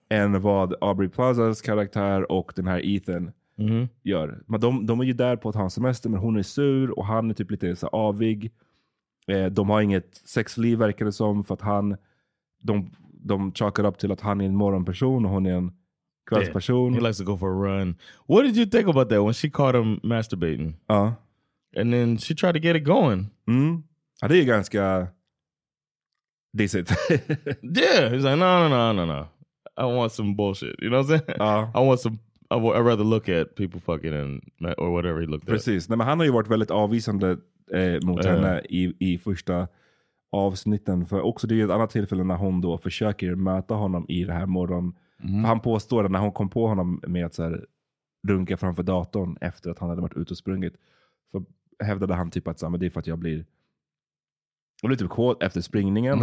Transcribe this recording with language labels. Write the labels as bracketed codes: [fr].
[sv] Än vad Aubrey Plazas karaktär och den här Ethan gör. Men de är ju där på att ha en semester, men hon är sur och han är typ lite så avig. De har inget sexliv verkar det som, för att de chalkar upp till att han är en morgonperson och hon är en kvällsperson. [en] Yeah. He likes to go for a run. What did you think about that when she caught him masturbating? [sv] Ja. [en] And then she tried to get it going. [sv] Mm. Ja, det är ganska decent. [en] Yeah, he's like, no. I want some bullshit, you know what I'm saying? [sv] Ja. [en] I'd rather look at people fucking and or whatever he looked [sv] Precis. [en] At. [sv] Precis, men han har ju varit väldigt avvisande mot henne i första avsnitten. För också det är ett annat tillfälle när hon då försöker möta honom i det här morgon. För han påstår att när hon kom på honom med att så här runka framför datorn efter att han hade varit ute och sprungit, så hävdade han typ att så här, men det är för att jag blir typ kåt efter springningen.